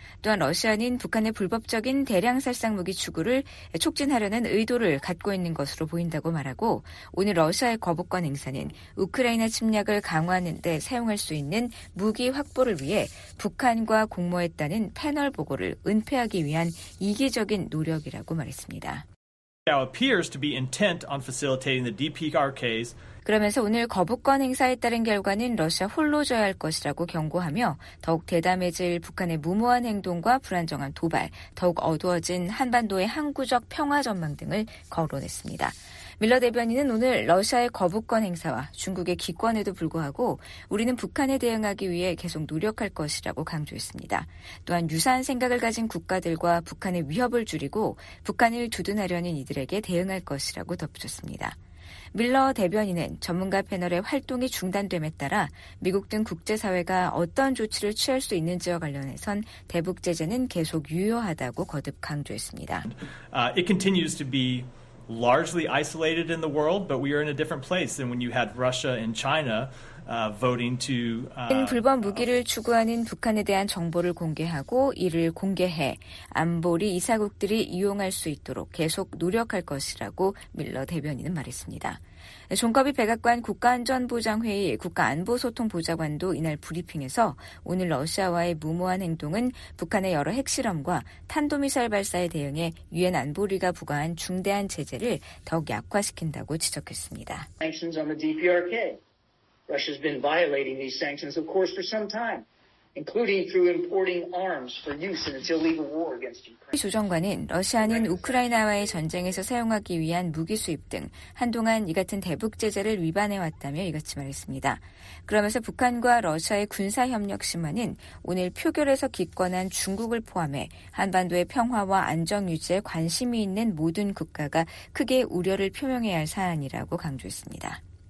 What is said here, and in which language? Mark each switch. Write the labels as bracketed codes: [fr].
[ko] 또한 러시아는 북한의 불법적인 대량 살상 무기 추구를 촉진하려는 의도를 갖고 있는 것으로 보인다고 말하고 오늘 러시아의 거부권 행사는 우크라이나 침략을 강화하는 데 사용할 수 있는 무기 확보를 위해 북한과 공모했다는 패널 보고를 은폐하기 위한 이기적인 노력이라고 말했습니다. [en] Now appears to be intent on facilitating the DPRK's [ko] 그러면서 오늘 거부권 행사에 따른 결과는 러시아 홀로 져야 할 것이라고 경고하며 더욱 대담해질 북한의 무모한 행동과 불안정한 도발, 더욱 어두워진 한반도의 항구적 평화 전망 등을 거론했습니다. 밀러 대변인은 오늘 러시아의 거부권 행사와 중국의 기권에도 불구하고 우리는 북한에 대응하기 위해 계속 노력할 것이라고 강조했습니다. 또한 유사한 생각을 가진 국가들과 북한의 위협을 줄이고 북한을 두둔하려는 이들에게 대응할 것이라고 덧붙였습니다. 밀러 대변인은 전문가 패널의 활동이 중단됨에 따라 미국 등 국제사회가 어떤 조치를 취할 수 있는지와 관련해선 대북 제재는 계속 유효하다고 거듭 강조했습니다. [en] It continues to be largely isolated in the world, but we are in a different place than when you had Russia and China voting to [ko] 불법 무기를 추구하는 북한에 대한 정보를 공개하고 이를 공개해 안보리 이사국들이 이용할 수 있도록 계속 노력할 것이라고 밀러 대변인은 말했습니다. 종가비 백악관 국가안전보장회의 국가안보소통보좌관도 이날 브리핑에서 오늘 러시아와의 무모한 행동은 북한의 여러 핵실험과 탄도미사일 발사에 대응해 유엔 안보리가 부과한 중대한 제재를 더욱 약화시킨다고 지적했습니다. [en] Sanctions on the DPRK. Russia's been violating these sanctions, of course, for some time. Including through importing arms for use in its illegal war against Ukraine. [ko] 조 장관은 러시아는 우크라이나와의 전쟁에서 사용하기 위한 무기 수입 등 한동안 이 같은 대북 제재를 위반해 왔다며 이같이 말했습니다. 그러면서 북한과 러시아의 군사 협력 심화는 오늘 표결에서 기권한 중국을 포함해 한반도의 평화와 안정 유지에 관심이 있는 모든 국가가 크게 우려를 표명해야 할 사안이라고 강조했습니다.